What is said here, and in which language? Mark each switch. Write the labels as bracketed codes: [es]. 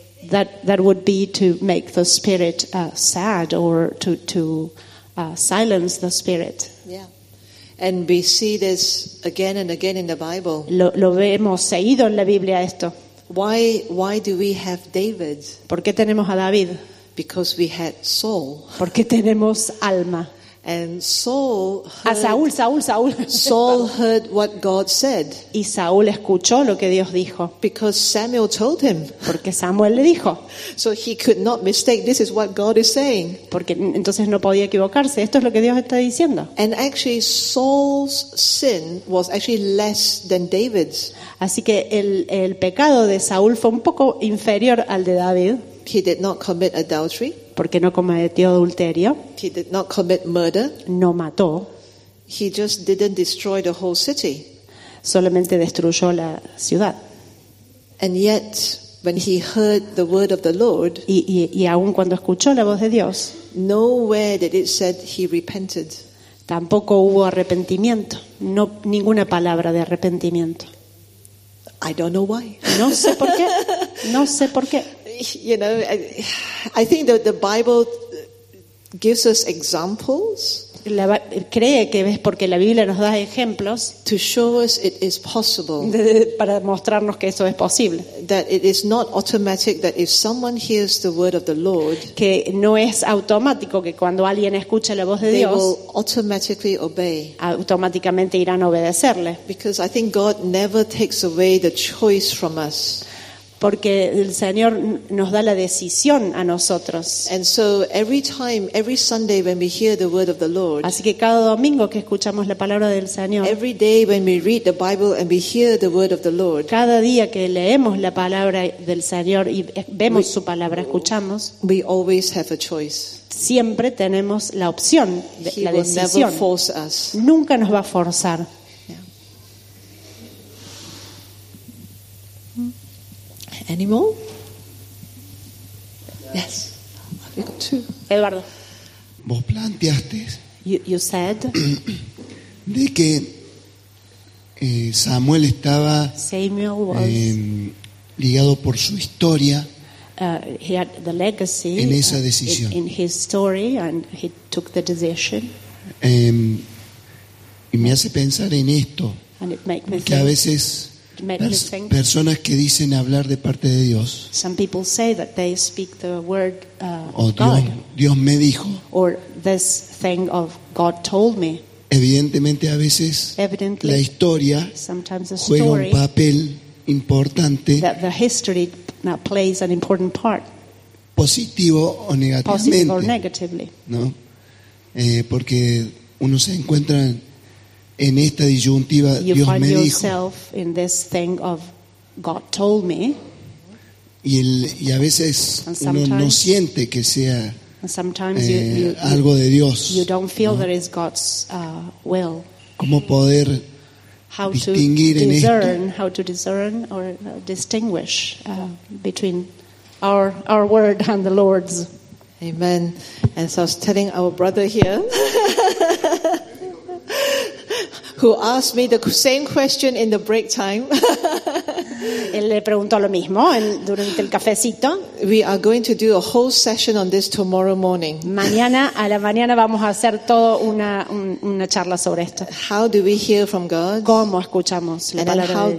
[en] That would be to make the spirit sad or to silence the spirit. Yeah, and we see this again and again in the Bible. [es] Lo vemos seguido en la Biblia esto. [en] Why do we have David? [es] ¿Por qué tenemos a David? [en] Because we had Saul. [es] ¿Por qué tenemos alma? [en] And Saul heard, Saul. Saul heard what God said. [es] Y Saúl escuchó lo que Dios dijo. [en] Because Samuel told him. [es] Porque Samuel le dijo. [en] So he could not mistake. This is what God is saying. [es] Porque entonces no podía equivocarse. Esto es lo que Dios está diciendo. [en] And actually, Saul's sin was actually less than David's. [es] Así que el pecado de Saúl fue un poco inferior al de David. [en] He did not commit adultery. [es] Porque no cometió adulterio. [en] He did not commit murder. [es] No mató. [en] He just didn't destroy the whole city. [es] Solamente destruyó la ciudad. [en] And yet, when he heard the word of the Lord, [es] y aun cuando escuchó la voz de Dios, [en] nowhere did it said he repented. [es] Tampoco hubo arrepentimiento. No, ninguna palabra de arrepentimiento. [en] I don't know why. [es] No sé por qué. No sé por qué. [en] You know, I think that the Bible gives us examples. [es] Cree que es porque la Biblia nos da ejemplos. [en] To show us it is possible. [es] Para mostrarnos que eso es posible. [en] That it is not automatic that if someone hears the word of the Lord. [es] Que no es automático que cuando alguien escucha la voz de Dios. [en] They will automatically obey. [es] Automáticamente irán a obedecerle. [en] Because I think God never takes away the choice from us. [es] Porque el Señor nos da la decisión a nosotros. [en] And so every time, every Sunday when we hear the word of the Lord. [es] Así que cada domingo que escuchamos la palabra del Señor. [en] Every day when we read the Bible and we hear the word of the Lord. [es] Cada día que leemos la palabra del Señor y vemos su palabra, escuchamos. [en] We always have a choice. [es] Siempre tenemos la opción, la decisión. [en] He will never force us. [es] Nunca nos va a forzar. [en] Any more? Yes. I've got two. Eduardo. [es] Vos planteaste. [en] You said. [es] De que Samuel estaba. [en] Samuel was. [es] Ligado por su historia. [en] He had the legacy. [es] En esa decisión. [en] In his story, and he took the decision. [es] Y me hace pensar en esto. [en] And it makes me [es] que [en] think. [es] A veces. Personas que dicen hablar de parte de Dios. [en] Some people say that they speak the word [es] Dios me dijo. [en] Or this thing of God told me. [es] Evidentemente a veces la historia juega un papel importante. [en] That the history plays an important part. [es] Positivo o negativamente. [en] Positive or negatively. [es] ¿No? Porque uno se encuentra en esta disyuntiva, Dios me dijo. [en] You find yourself in this thing of God told me. [es] Y a veces uno no siente que sea algo de Dios. [en] You don't feel there is God's will. [es] ¿Cómo poder distinguir en esto? [en] How to discern or distinguish between our word and the Lord's. Amen. And so I was telling our brother here. Who asked me the same question in the break time? [es] Él le preguntó lo mismo durante el cafecito. [en] We are going to do a whole session on this tomorrow morning. [es] Mañana a la mañana vamos a hacer toda una charla sobre esto. [en] How do we hear from God? [es] ¿Cómo escuchamos la palabra de Dios?